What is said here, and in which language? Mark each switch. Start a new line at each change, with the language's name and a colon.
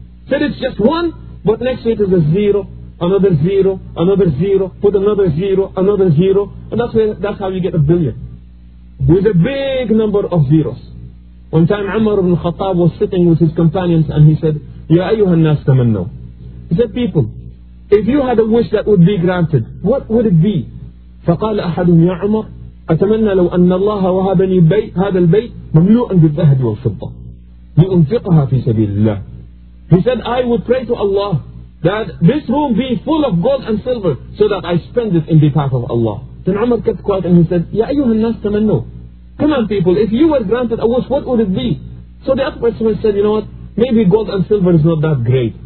English: Said it's just one, but next to it is a zero, another zero, another zero, put another zero, another zero, and that's how you get a billion. With a big number of zeros. One time Umar ibn Khattab was sitting with his companions and he said,
Arabic: Ya ayyuhal nas tamannaw.
English: He said, people, if you had a wish that would be granted, what would it be?
Arabic: فقال أحدهم يا عمر أتمنى لو أن الله وهبني بيت هذا البيت مملوءا بالذهب والفضة لأنفقها في سبيل الله.
English: He said, I would pray to Allah that this room be full of gold and silver so that I spend it in behalf of Allah. Then Umar kept quiet and he said,
Arabic: يا أيها الناس تمنوا.
English: Come on people, if you were granted a wish, what would it be? So the other person said, you know what, maybe gold and silver is not that great.